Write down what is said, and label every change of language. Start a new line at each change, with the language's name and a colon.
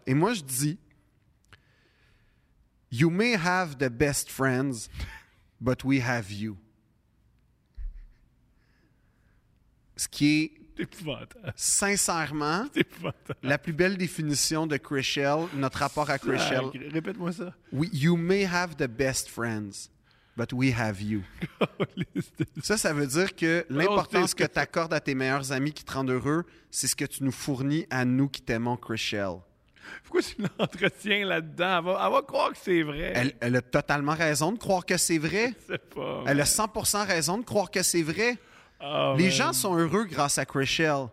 French: Et moi, je dis, «
English: You may have the best friends, but we have you.
French: » Ce qui est sincèrement la plus belle définition de Chrishell, notre rapport à Chrishell. Répète-moi ça.
English: You may have the best friends, but we have you.
French: Ça veut dire que l'importance que tu accordes à tes meilleurs amis qui te rendent heureux, c'est ce que tu nous fournis à nous qui t'aimons Chrishell. Pourquoi tu l'entretiens là-dedans? Elle va croire que c'est vrai. Elle a totalement raison de croire que c'est vrai. Je sais pas, elle a 100% raison de croire que c'est vrai. Les gens sont heureux grâce à Chris Shell.